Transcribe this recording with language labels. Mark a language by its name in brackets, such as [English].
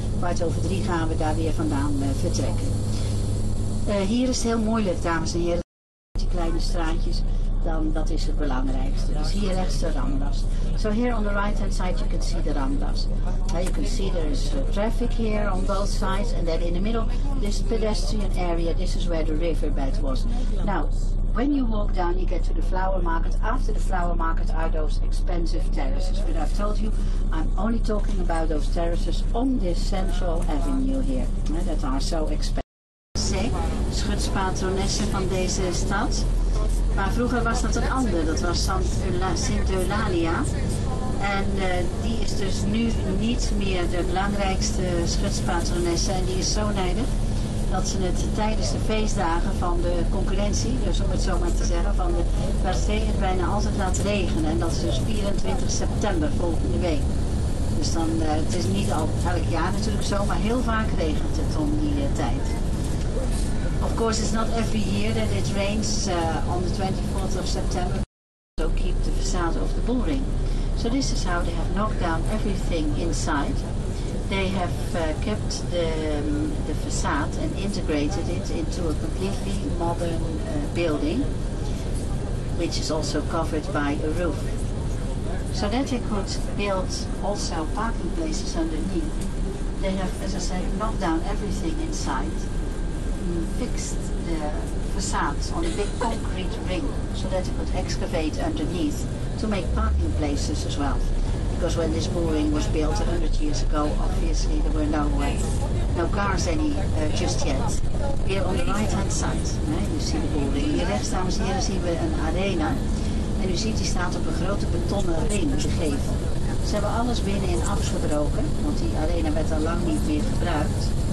[Dutch] 3:15 gaan we daar weer vandaan vertrekken. Hier is het heel moeilijk, dames en heren, die kleine straatjes. Dan dat is het belangrijkste. Dus hier rechts de Ramblas. [English] So here on the right hand side you can see the Ramblas. You can see there is traffic here on both sides, and then in the middle this pedestrian area. This is where the riverbed was. Now, when you walk down, you get to the flower market. After the flower market are those expensive terraces. But I've told you, I'm only talking about those terraces on this central avenue here. That are so expensive. [Dutch] Schutspatronessen van deze stad. Maar vroeger was dat een ander, dat was Sint-Eulalia. En die is dus nu niet meer de belangrijkste schutspatronesse. En die is zo nijdig dat ze het tijdens de feestdagen van de concurrentie, dus om het zo maar te zeggen, van de Verstegen bijna altijd laat regenen. En dat is dus 24 september volgende week. Dus dan, het is niet al elk jaar natuurlijk zo, maar heel vaak regent het om die tijd. [English] Of course, it's not every year that it rains on the 24th of September. So keep the facade of the bullring. So this is how they have knocked down everything inside. They have kept the facade and integrated it into a completely modern building, which is also covered by a roof. So that they could build also parking places underneath. They have, as I said, knocked down everything inside. Fixed the facades on a big concrete ring so that it could excavate underneath to make parking places as well. Because when this building was built 100 years ago, obviously there were no cars any just yet. Here on the right hand side, you see the building. [Dutch] Hier rechts, dames en heren, zien we een arena. En u ziet, die staat op een grote betonnen ring gegeven. Ze hebben alles binnenin afgebroken, want die arena werd al lang niet meer gebruikt.